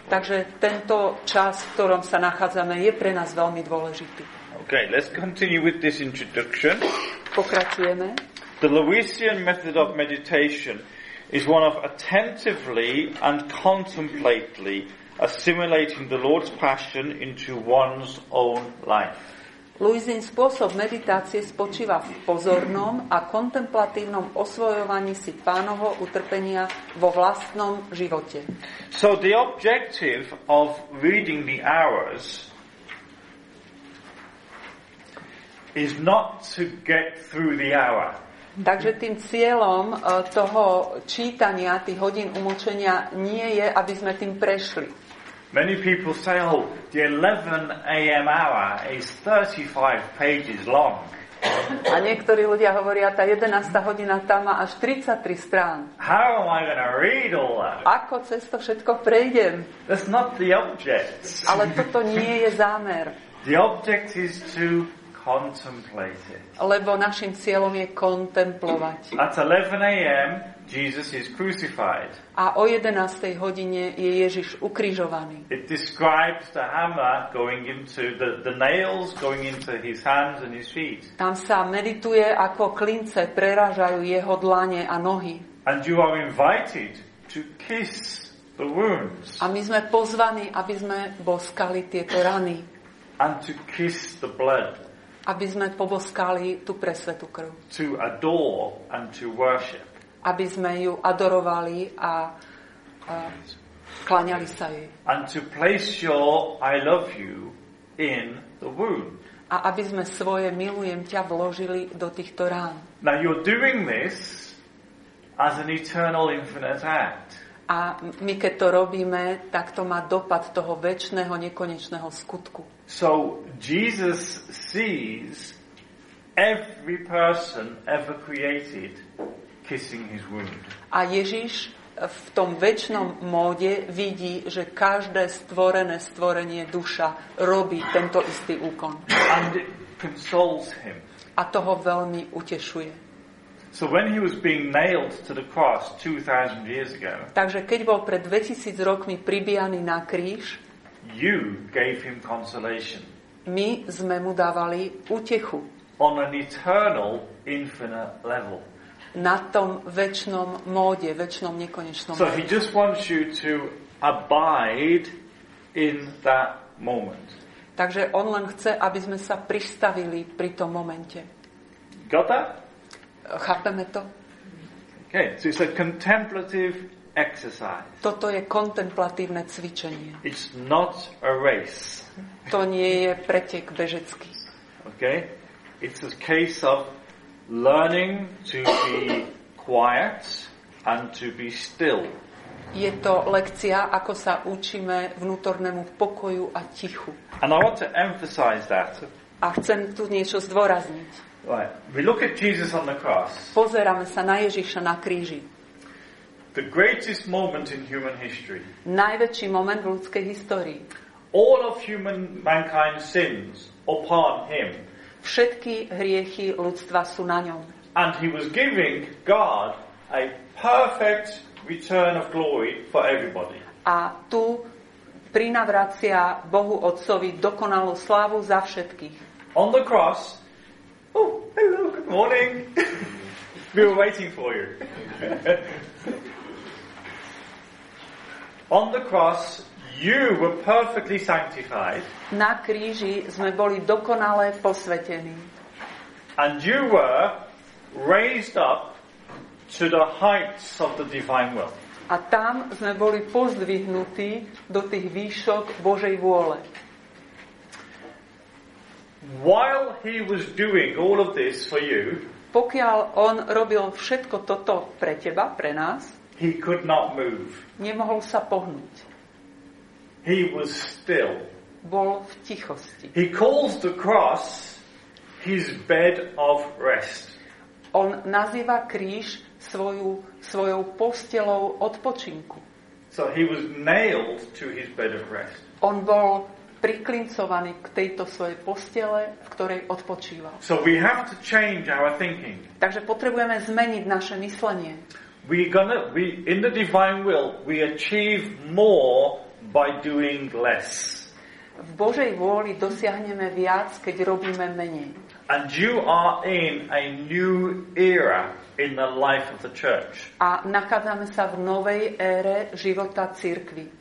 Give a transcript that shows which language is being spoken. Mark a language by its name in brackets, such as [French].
[Slovak] Takže tento čas, v ktorom sa nachádzame, je pre nás veľmi dôležitý. [English] Okay, let's continue with this introduction. [Slovak] Pokračujeme. [English] The Lewisian method of meditation is one of attentively and contemplatively assimilating the Lord's passion into one's own life. [Slovak] Lewisian spôsob meditácie spočíva v pozornom a kontemplatívnom osvojovaní si Pánovho utrpenia vo vlastnom živote. [English] So the objective of reading the hours is not to get through the hour. [Slovak] Takže tým cieľom toho čítania tých hodín umlčenia nie je, aby sme tým prešli. [English] Many people say, oh, the 11 a.m. hour is 35 pages long. [Slovak] A niektorí ľudia hovoria, tá 11. hodina tam má až 33 strán. [English] How am I gonna read all that? [Slovak] Ako cez to všetko prejdem? [English] That's not the object. [Slovak] Ale toto nie je zámer. [English] The object is to contemplate it. [Slovak] Lebo našim cieľom je kontemplovať. [English] At 11 a.m. Jesus is crucified. [Slovak] A o 11. hodine je Ježiš ukrižovaný. [English] It describes the hammer going into the nails going into his hands and his feet. [Slovak] Tam sa medituje, ako klince prerážajú jeho dlane a nohy. [English] And you are invited to kiss the wounds. [Slovak] A my sme pozvaní, aby sme boskali tieto rany. [English] And to kiss the blood. [Slovak] Aby sme poboskali tú presvetú krv. [English] To adore and to worship. [Slovak] Aby sme ju adorovali a kláňali sa jej. [English] And to place your I love you in the wound. [Slovak] A aby sme svoje milujem ťa vložili do týchto rán. [English] Now you're doing this as an eternal infinite act. [Slovak] A my keď to robíme, tak to má dopad toho večného nekonečného skutku. [English] So Jesus sees every person ever created kissing his wound. [Slovak] A Ježiš v tom večnom móde vidí, že každé stvorené stvorenie duša robí tento istý úkon. [English] And it consoles him. [Slovak] A to ho veľmi utešuje. [English] So when he was being nailed to the cross 2000 years ago. [Slovak] Takže keď bol pred 2000 rokmi pribijaný na kríž, [English] you gave him consolation. [Slovak] My sme mu dávali útechu. [English] On an eternal infinite level. [Slovak] Na tom večnom móde, večnom nekonečnom. [English] So he just wants you to abide in that moment. [Slovak] Takže on len chce, aby sme sa pristavili pri tom momente. [English] Got that? [Slovak] Chápeme to? [English] Okay, so it's a contemplative exercise. [Slovak] Toto je kontemplatívne cvičenie. [English] It's not a race. [Slovak] To nie je pretek bežecký. [English] Okay? It's a case of learning to be quiet and to be still. [Slovak] Je to lekcia, ako sa učíme vnútornému pokoju a tichu. [English] And I want to emphasize that. [Slovak] A chcem tu niečo zdôrazniť. [English] Right. We look at Jesus on the cross. [Slovak] Pozeráme sa na Ježiša na kríži. [English] The greatest moment in human history. [Slovak] Najväčší moment v ľudskej histórii. [English] All of human mankind sins upon him. [Slovak] Všetky hriechy ľudstva sú na ňom. [English] And he was giving God a perfect return of glory for everybody. [Slovak] A tu prinavracia Bohu Otcovi dokonalú slávu za všetkých. [English] On the cross. Oh, hello, good morning. We were waiting for you. On the cross, you were perfectly sanctified. [Slovak] Na kríži sme boli dokonale posvetení. [English] And you were raised up to the heights of the divine will. [Slovak] A tam sme boli pozdvihnutí do tých výšok Božej vôle. [English] While he was doing all of this for you, [Slovak] pokiaľ on robil všetko toto pre teba, pre nás, [English] he could not move. [Slovak] Nemohol sa pohnúť. [English] He was still. [Slovak] Bol v tichosti. [English] He calls the cross his bed of rest. [Slovak] On nazýva kríž svojou postelou odpočinku. [English] So he was nailed to his bed of rest. [Slovak] On bol priklincovaný k tejto svojej postele, v ktorej odpočíval. [English] So we have to change our thinking. [Slovak] Takže potrebujeme zmeniť naše myslenie. [English] In the divine will, we achieve more by doing less. [Slovak] V Božej vôli dosiahneme viac, keď robíme menej. [English] And you are in a new era in the life of the church. [Slovak] A nachádzame sa v novej ére života cirkvi.